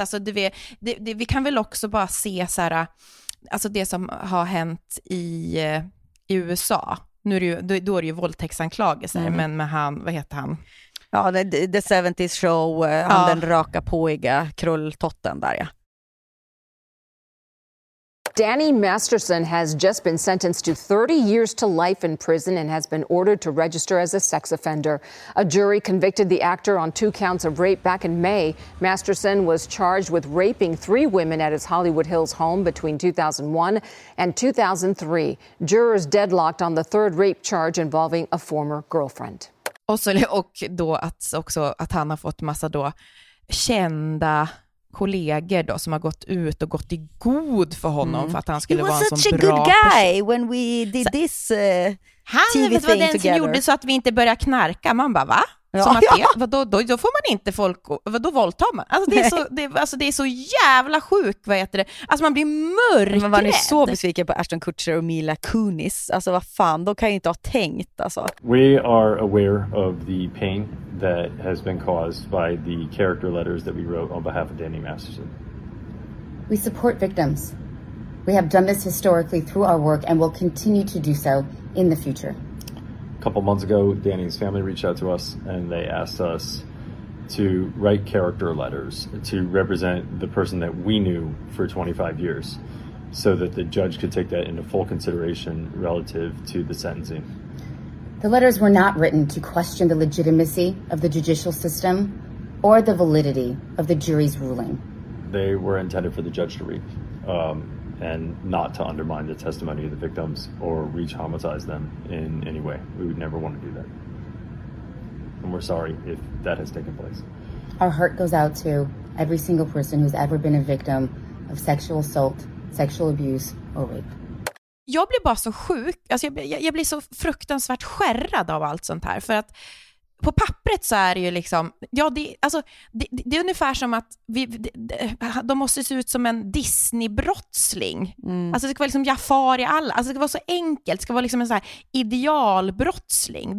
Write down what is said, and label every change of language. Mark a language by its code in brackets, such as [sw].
[sv] Alltså vi kan väl också bara se så här, alltså det som har hänt i USA. Nu är det ju, då är det ju våldtäktsanklagelser. Mm. Men med han, vad heter han? Ja, The 70s Show, han den raka påiga krulltotten där, ja. [en] Danny Masterson has just been sentenced to 30 years to life in prison and has been ordered to register as a sex offender. A jury convicted the actor on two counts of rape back in May. Masterson was charged with raping three women at his Hollywood Hills home between 2001 and 2003. Jurors deadlocked on the third rape charge involving a former girlfriend. [sv] Och då att också att han har fått massa då kända kollegor då som har gått ut och gått i god för honom för att han skulle vara en sån bra person. [en] He was such a good guy when we did this TV thing together. [sv] Han vet vad den som gjorde så att vi inte började knarka. Man bara, va? Då får man inte folk, vadå våldtar man? Alltså det är så jävla sjukt, vad heter det? Alltså man blir mörkrädd. Men man är så besviken på Ashton Kutcher och Mila Kunis. Alltså vad fan, de kan ju inte ha tänkt alltså. [en] We are aware of the pain that has been caused by the character letters that we wrote on behalf of Danny Masterson. We support victims. We have done this historically through our work and will continue to do so in the future. A couple months ago, Danny's family reached out to us and they asked us to write character letters to represent the person that we knew for 25 years so that the judge could take that into full consideration relative to the sentencing. The letters were not written to question the legitimacy of the judicial system or the validity of the jury's ruling. They were intended for the judge to read and not to undermine the testimony of the victims or re-traumatize them in any way. We would never want to do that. And we're sorry if that has taken place. Our heart goes out to every single person who's ever been a victim of sexual assault, sexual abuse, or rape. [sv] Jag blir bara så sjuk. Alltså jag blir så fruktansvärt skärrad av allt sånt här. För att på pappret så är det ju liksom, ja, det är ungefär som att de måste se ut som en Disney-brottsling. Mm. Alltså det ska vara liksom Jafar i alla. Alltså det ska vara så enkelt. Det ska vara liksom en så här idealbrottsling.